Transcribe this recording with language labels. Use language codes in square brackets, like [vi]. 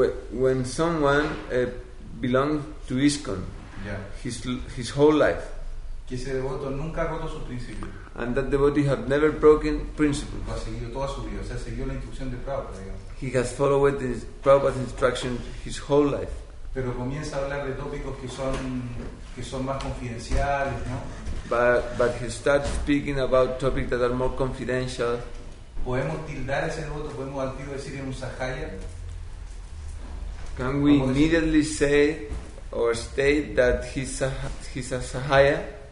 [en] When someone belongs to ISKCON, his whole life, [es] que ese devoto nunca ha roto sus principios, [en] and that devotee have never broken principles, [es] ha seguido toda su vida, o sea, siguió la instrucción de Prabhupada, digamos. [en] He has followed the Prabhupada's instruction his whole life. [es] Pero comienza a hablar de tópicos que son más confidenciales, ¿no? [en] But he starts speaking about topics that are more confidential. [es] ¿Podemos tildar ese devoto? ¿Podemos al tiro decir en un sahaya? [en] Can we immediately say or state that he's a sahaya?